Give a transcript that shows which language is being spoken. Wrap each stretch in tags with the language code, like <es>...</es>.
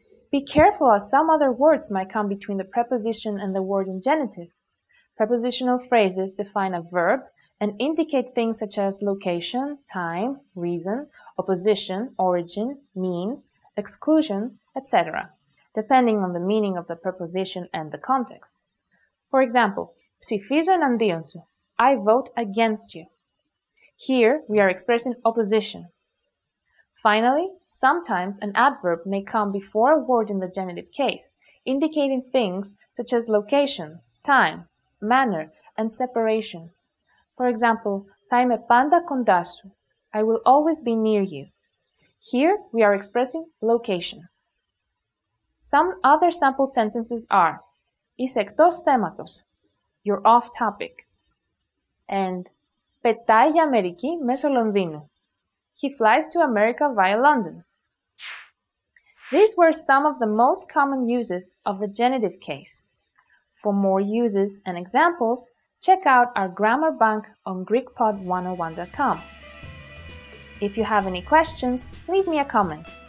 <en>Be careful as some other words might come between the preposition and the word in genitive. Prepositional phrases define a verb and indicate things such as location, time, reason, opposition, origin, means, exclusion, etc., depending on the meaning of the preposition and the context. For example,</en> <el>ψηφίζω εναντίον σου.</el> <en>I vote against you. Here, we are expressing opposition. Finally, sometimes an adverb may come before a word in the genitive case, indicating things such as location, time, manner, and separation. For example,</en> <el>θα είμαι πάντα κοντά σου.</el> <en>I will always be near you. Here, we are expressing location. Some other sample sentences are</en> <el>είσαι εκτός θέματος.</el> <en>You're off topic.</en> <el>And πετάει για Αμερική μέσω Λονδίνου.</el> <en>He flies to America via London. These were some of the most common uses of the genitive case. For more uses and examples, check out our grammar bank on GreekPod101.com. If you have any questions, leave me a comment.</en>